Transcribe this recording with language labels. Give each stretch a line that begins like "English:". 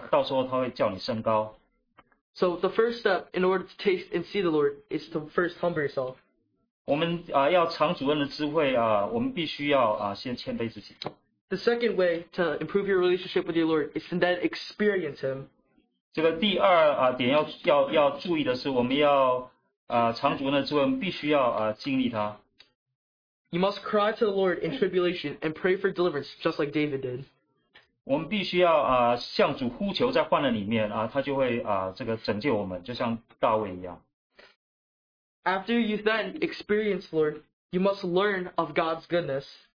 Chinese: 我们雅各书第四章，你们要谦卑在这个神大能手下，到时候他会叫你升高。
English: So the first step in order to taste and see the Lord is to first humble yourself.
Chinese: 我们要尝主恩的滋味，我们必须要先谦卑自己。
English: The second way to improve your relationship with your Lord is to then experience Him.
Chinese: 这个第二点要注意的是，我们要尝主恩的滋味，必须要经历他。
English: You must cry to the Lord in tribulation and pray for deliverance, just like David did.
Chinese: 我们必须要向主呼求，在患难里面，他就会拯救我们，就像大卫一样。
English: After you then experience the Lord, you must learn of God's goodness.